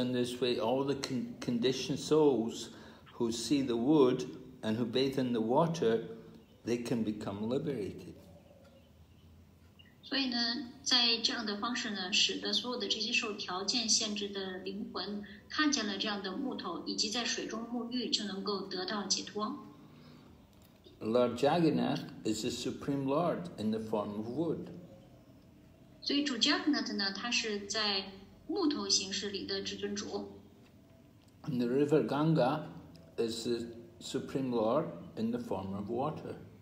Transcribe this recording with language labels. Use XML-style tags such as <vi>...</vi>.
<en>in this way, all the conditioned souls who see the wood and who bathe in the water, they can become liberated.</en> <zh>所以呢，在这样的方式呢，使得所有的这些受条件限制的灵魂看见了这样的木头，以及在水中沐浴，就能够得到解脱。</zh> <en>Lord Jagannath is the supreme Lord in the form of wood.</en> <zh>所以主 Jagannath 呢，他是在木头形式里的至尊主。</zh> <en>And the river Ganga is the supreme Lord in the form of water.</en>